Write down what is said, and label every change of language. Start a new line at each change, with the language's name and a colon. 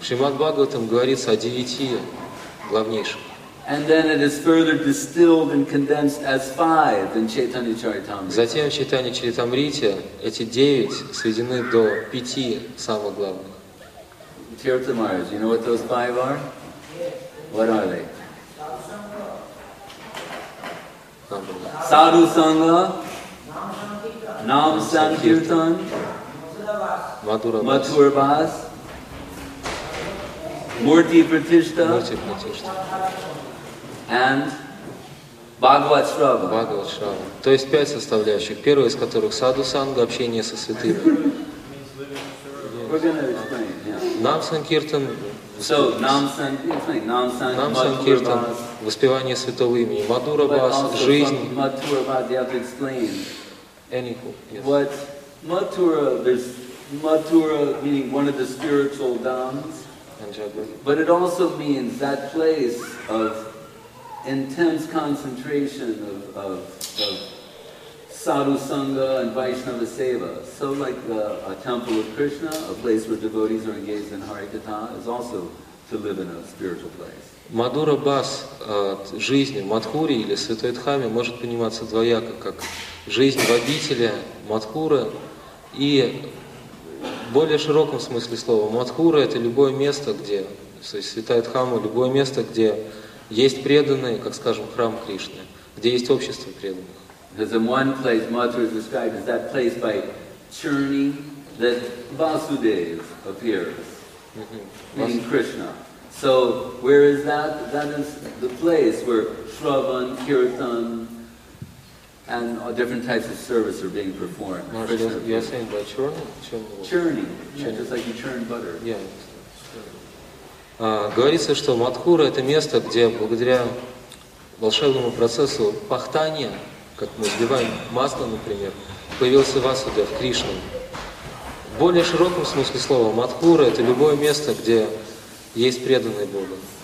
Russian: В Шримад Бхагаватам говорится о 9 главнейших.
English: And then it is further distilled and condensed as 5 in Chaitanya Charitamrita.
Russian: Затем в Чайтанья Чаритамрите эти 9 сведены до 5 самых главных.
English: Тиртамарас, you know what those 5 are? What are they? Sadhu Sangha, Nam Sankirtan, Madhura Vas, Murti Pratishtha, and Bhagavat Shrava. Bhagavat Shrava.
Russian: То есть 5 составляющих, первая из которых Sadhu Sangha, общение со святыми.
English: We're gonna explain, yeah. So, Nam Sankirtan,
Russian: воспевание святого имени, Мадура Бас, жизнь.
English: Matura Bas, you have to explain. Anywho, yes. What Matura, there's Matura meaning one of the spiritual dhams. But it also means that place of intense concentration of Sadhu Sangha and Vaishnava Seva. So like a temple of Krishna, a place where devotees are engaged in Harikatha, is also to live in a spiritual place.
Russian: Мадура Бас, жизнь в Мадхуре или Святой Дхаме может пониматься двояко, как жизнь в обители Мадхуры и в более широком смысле слова. Мадхура – это любое место, где, то есть Святая Дхама – любое место, где есть преданные, как скажем, храм Кришны, где есть общество преданных.
English: Because in one place, Mathura is described as that place by Cherni, that Vasudev appears, meaning Krishna. So, where is that? That is the place where Shravan, Kirtan, and different types of service are being performed. You're saying by churning? Churning, just like you churn butter.
Russian: Говорится, что Мадхура — это место, где благодаря волшебному процессу пахтания, как мы вбиваем масло, например, появился Васудев, Кришна. В более широком смысле слова Мадхура — это любое место, где есть преданный Богу.